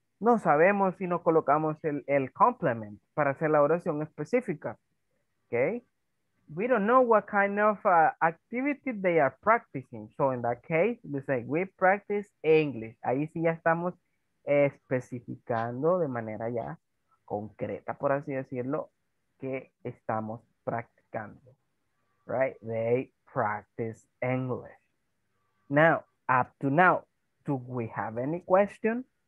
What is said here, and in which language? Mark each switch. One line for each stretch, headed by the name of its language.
Spanish: No sabemos si no colocamos el complement para hacer la oración específica.
English: Okay. We don't know what kind of activity they are practicing. So in that case, we say we practice English.
Spanish: Ahí sí ya estamos especificando de manera ya concreta, por así decirlo, que estamos practicando.
English: Right? They practice English. Now, up to now, do we have any question?